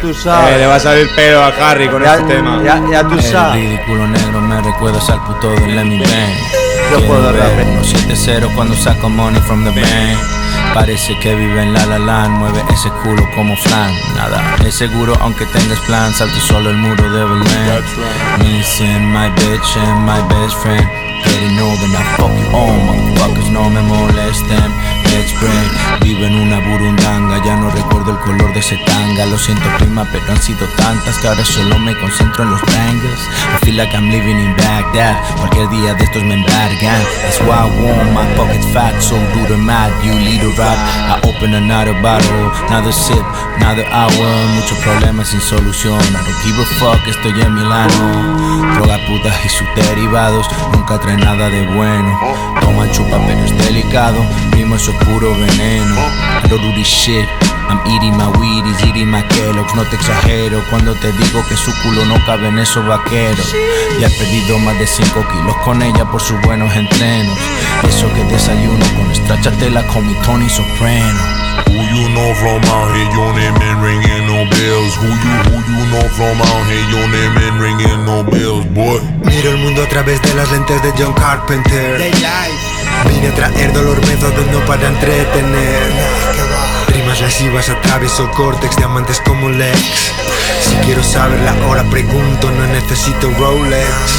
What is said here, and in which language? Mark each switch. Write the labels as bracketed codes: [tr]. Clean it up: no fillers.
[es] Tú sabes. Le va a salir pedo a Harry con este tema. Ya tú sabes. El ridículo negro me recuerda al puto de Lemmy Ben. Yo puedo rapear. 1-7-0 cuando saco [en] money from the bank. [es] Parece que vive en la la land. Mueve ese culo como flan. Nada es seguro aunque tengas plan. Salte solo el muro de Berlin. [en] Missing my bitch and my best friend. Getting older now, fuck you all, motherfuckers, [es] no me molesten. [en] Let's break. [es] Vivo en una burundanga, ya no recuerdo el color de ese tanga. Lo siento prima, pero han sido tantas que ahora solo me concentro en los bangers. [en] I feel like I'm living in Baghdad. [es] Cualquier día de estos me embargan. [en] That's why I want my pockets fat. So rude and mad, you little rat. I open another bottle, another sip, another hour. [es] Muchos problemas sin solución, [en] I don't give a fuck, [es] estoy en Milano. Droga, putas y sus derivados, nunca trae nada de bueno. Toma chupa, pero es delicado, primo, eso es puro veneno. [en] I don't do this shit, I'm eating my Wheaties, eating my Kellogg's. [es] No te exagero cuando te digo que su culo no cabe en esos vaqueros. Y he perdido más de 5 kilos con ella por sus buenos entrenos. Eso que desayuno con estrachatela con mi Tony Soprano. [en] Who you know from out here, your name ain't ringing no bells. Who you know from out here, your name ain't ringing no bells, boy. [es] Miro el mundo a través de las lentes de John Carpenter. Vine a traer dolor, métodos no para entretener. Rimas lesivas, atravieso el córtex, diamantes como Lex. Si quiero saber la hora, pregunto, no necesito Rolex.